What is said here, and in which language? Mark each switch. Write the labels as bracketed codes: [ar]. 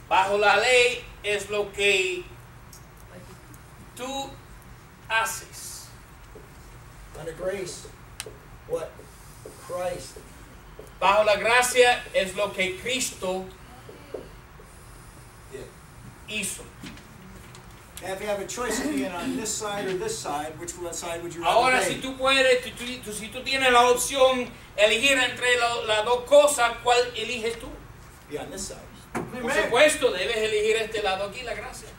[es] Bajo la ley, es lo que tú haces. [en] Under grace, what Christ. [es] Bajo la gracia, es lo que Cristo hizo. [en] And if you have a choice of being on this side or this side, which side would you rather? [es] Ahora, si tú puedes, si tú tienes la opción, elegir entre las dos cosas, ¿cuál eliges tú? [en] Be on this side. [es] Por supuesto, debes elegir este lado aquí, la gracia.